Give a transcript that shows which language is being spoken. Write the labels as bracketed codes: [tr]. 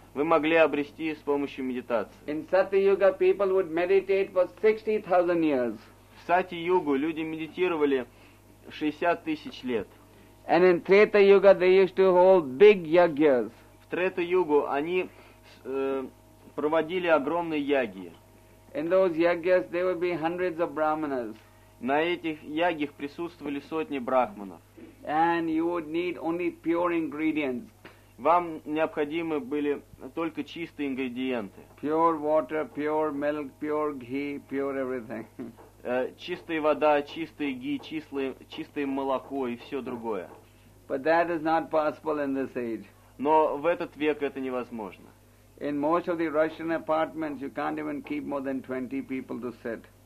[ru] Вы могли обрести с помощью медитации. [en] In Satya Yuga, people would meditate for 60,000 years. [ru] В Сатья Югу люди медитировали 60,000 лет. [en] And in Treta Yuga they used to hold big yagyas. [ru] В Трета Югу они проводили огромные яги. [en] In those yagyas there would be hundreds of brahmanas. [ru] На этих ягях присутствовали сотни брахманов. [en] And you would need only pure ingredients. [ru] Вам необходимы были только чистые ингредиенты. [en] Pure water, pure milk, pure ghee, pure everything. [ru] Чистая вода, чистый ги, чистое молоко и все другое. [en] But that is not possible in this age. [ru] Но в этот век это невозможно. [en] In most of the Russian apartments you can't even keep more than 20 people to sit.